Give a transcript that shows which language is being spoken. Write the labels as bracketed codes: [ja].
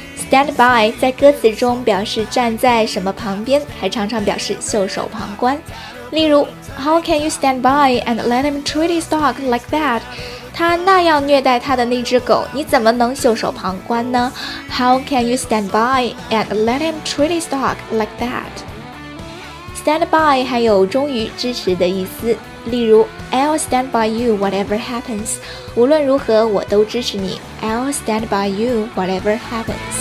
[zh] stand by 在歌词中表示站在什么旁边，还常常表示袖手旁观。例如 [en] How can you stand by and let him treat his dog like that? [zh] 他那样虐待他的那只狗，你怎么能袖手旁观呢？ [en] How can you stand by and let him treat his dog like that? [zh] Stand by 还有忠于支持的意思，例如 [en] I'll stand by you whatever happens， [zh] 无论如何我都支持你。 [en] I'll stand by you whatever happens。